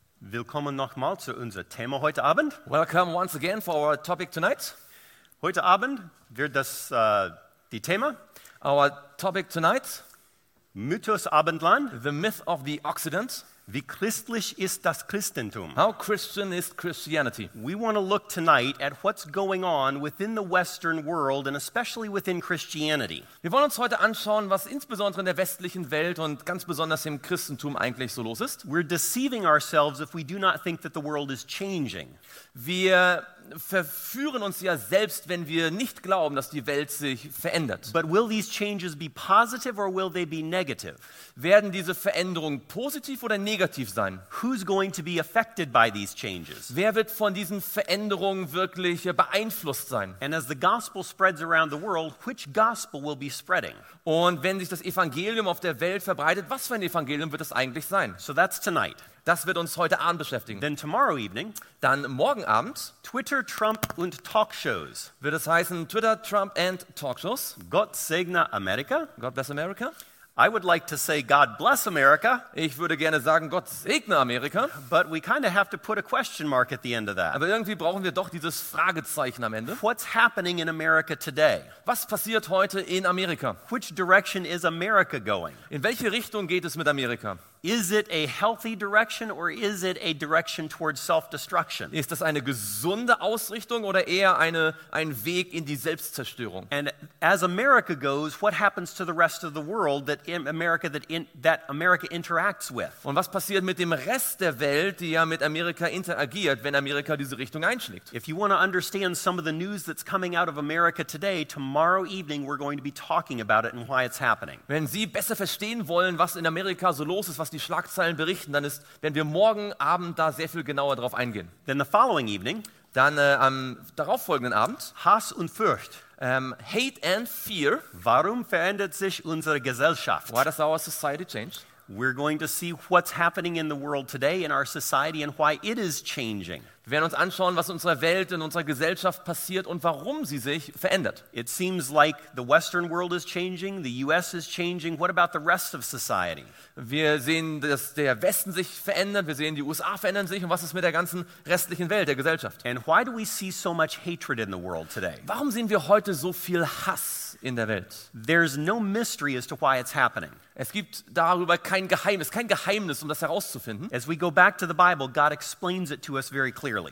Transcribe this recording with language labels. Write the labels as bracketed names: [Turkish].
[German] willkommen nochmal zu unserem Thema heute Abend. [English] Welcome once again for our topic tonight. [German] Heute Abend wird das die Thema. [English] Our topic tonight. [German] Mythos Abendland. [English] The myth of the Occident. [German] Wie christlich ist das Christentum? [English] How Christian is Christianity? We want to look tonight at what's going on within the Western world and especially within Christianity. [German] Wir wollen uns heute anschauen, was insbesondere in der westlichen Welt und ganz besonders im Christentum eigentlich so los ist. [English] We're deceiving ourselves if we do not think that the world is changing. [German] Wir verführen uns ja selbst, wenn wir nicht glauben, dass die Welt sich verändert. [English] But will these changes be positive or will they be negative? [German] Werden diese Veränderungen positiv oder negativ sein? [English] Who's going to be affected by these changes? [German] Wer wird von diesen Veränderungen wirklich beeinflusst sein? [English] And as the gospel spreads around the world, which gospel will be spreading? [German] Und wenn sich das Evangelium auf der Welt verbreitet, was für ein Evangelium wird es eigentlich sein? [English] So that's tonight. [German] Das wird uns heute Abend beschäftigen. [English] Then tomorrow evening, [German] dann morgen Abend, Twitter, Trump und Talkshows. Wird es heißen Twitter, Trump and Talkshows? Gott segne Amerika. [English] God bless America. I would like to say God bless America. [German] Ich würde gerne sagen Gott segne Amerika. [English] But we kind of have to put a question mark at the end of that. [German] Aber irgendwie brauchen wir doch dieses Fragezeichen am Ende. [English] What's happening in America today? [German] Was passiert heute in Amerika? [English] Which direction is America going? [German] In welche Richtung geht es mit Amerika? [English] Is it a healthy direction or is it a direction towards self-destruction? [German] Ist das eine gesunde Ausrichtung oder eher ein Weg in die Selbstzerstörung? [English] And as America goes, what happens to the rest of the world that America interacts with? [German] Und was passiert mit dem Rest der Welt, die ja mit Amerika interagiert, wenn Amerika diese Richtung einschlägt? [English] If you want to understand some of the news that's coming out of America today, tomorrow evening we're going to be talking about it and why it's happening. [German] Wenn Sie besser verstehen wollen, was in Amerika so los ist, was die Schlagzeilen berichten, dann ist, wenn wir morgen Abend da sehr viel genauer drauf eingehen. [English] Then the following evening, [German] dann am darauffolgenden Abend, Hass und Furcht, [English] Hate and Fear, [German] warum verändert sich unsere Gesellschaft? [English] Why does our society change? We're going to see what's happening in the world today in our society and why it is changing. [German] Wir werden uns anschauen, was in unserer Welt, in unserer Gesellschaft passiert und warum sie sich verändert. [English] It seems like the Western world is changing, the US is changing. What about the rest of society? [German] Wir sehen, dass der Westen sich verändert, wir sehen, die USA verändern sich und was ist mit der ganzen restlichen Welt, der Gesellschaft? [English] And why do we see so much hatred in the world today? [German] Warum sehen wir heute so viel Hass in der Welt? [English] There's no mystery as to why it's happening. [German] Es gibt darüber kein Geheimnis, um das herauszufinden. [English] As we go back to the Bible, God explains it to us very clearly.